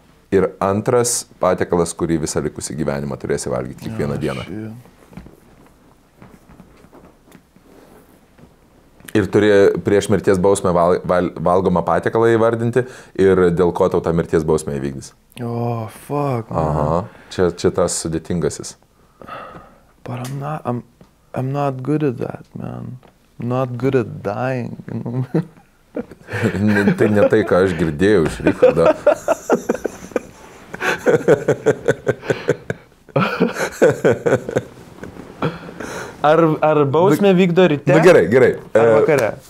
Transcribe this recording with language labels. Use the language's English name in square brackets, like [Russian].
[Lithuanian] Ir antras patiekalas, kurį visą likusį gyvenimą turėsi valgyti kiekvieną dieną. Ir turi prieš mirties bausmę valgomą patiekalą įvardinti ir dėl ko tau tą mirties bausmę įvykdys. [English] Oh, fuck. [Lithuanian] Man. Aha. Čia tas sudėtingasis. [English] But I'm not good at that, man. I'm not good at dying. [Lithuanian] Tai ne tai, ką aš girdėjau iš Richardo. Ar bausmė vykdo ryte? Na gerai, gerai. Ar vakare?